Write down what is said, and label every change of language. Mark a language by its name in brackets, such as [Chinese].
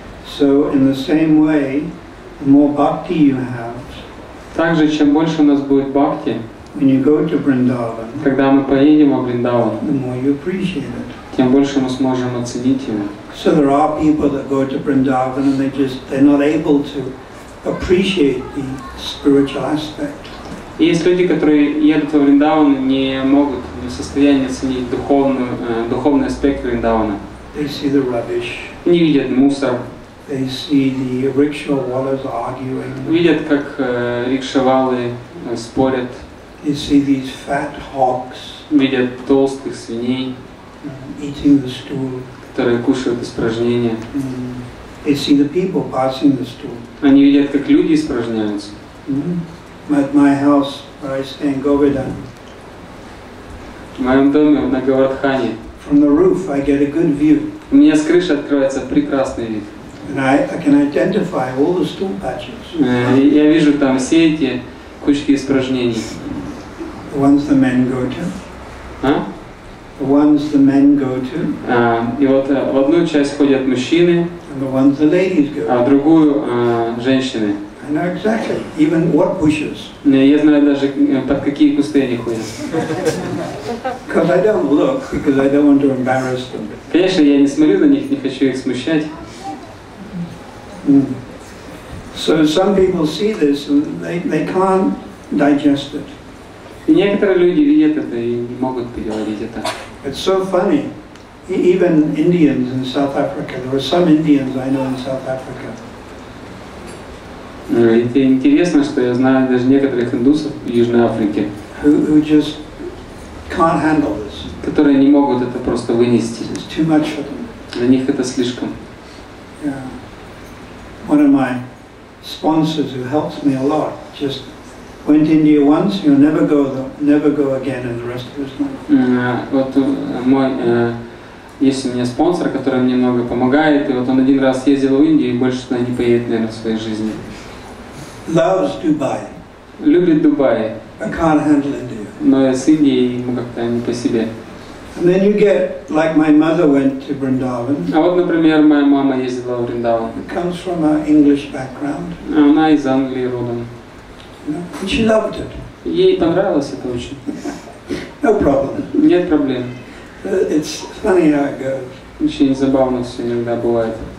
[English] So in the same way, the more bhakti you have, [Russian] также чем больше у нас будет бхакти, [English] when you go to Vrindavan, [Russian] когда мы поедем во Вриндаван, [English] the more you appreciate it, [Russian] тем больше мы сможем оценить его. [English] So there are people that go to Vrindavan and they're not able to appreciate the spiritual aspect. [Russian] Есть люди, которые едут во Вриндаван, не могут в состоянии оценить духовный аспект Вриндавана. [English] They see the rubbish. [Russian] Не видят мусор. [English] They see the rickshaw wallahs arguing. [Russian] Видят, как рикшавалы спорят. [English] They see these fat hogs. [Russian] Видят толстых свиней. [English] Eating the stool. [Russian] Которые кушают испражнения. [English] They see the people passing the stool. [Russian] Они видят, как люди испражняются. [English] At my house, where I stay in Govardhan. [Russian] В моем доме на Говардхане. [English] From the roof, I get a good view. [Russian] У меня с крыши открывается прекрасный вид. [English] And I can identify all the stool patches. [Russian] Я вижу там все эти кучки испражнений. [English] The ones the men go to. The ones the men go to. [Russian] И вот в одну часть ходят мужчины. [English] The ones the ladies go. [Russian] А другую женщины. [English] I know exactly. Even what bushes. [Russian] Я знаю даже под какие кусты они ходят. [English] Because I don't look, because I don't want to embarrass them. [Russian] Конечно, я не смотрю на них, не хочу их смущать. [English] So some people see this and they can't digest it. [Russian] И некоторые люди видят это и не могут переварить это. [English] It's so funny. Even Indians in South Africa. There are some Indians I know in South Africa. [Russian] Это интересно, что я знаю даже некоторых индусов в Южной Африке. [English] Who just can't handle this. [Russian] Которые не могут это просто вынести. [English] It's too much for them. [Russian] Для них это слишком. [English] Yeah. One of my sponsors who helps me a lot just went to India once. He'll never go again in the rest of his life. [Russian] Вот мой есть у меня спонсор, который мне много помогает, и вот он один раз ездил в Индию и больше туда не поедет, наверное, в своей жизни. [English] Loves Dubai. [Russian] Любит Дубай. [English] I can't handle India. [Russian] Но с Индией ему как-то не по себе. [English] And then you get, like my mother went to Vrindavan. [Russian] А вот, например, моя мама ездила в Вриндаван. [English] It comes from an English background. [Russian] Она из Англии родом. [English] And she loved it. [Russian] Ей понравилось это очень. [English] No problem. [Russian] Нет проблем. [English] It's funny how it goes. [Russian] Очень забавно все иногда бывает.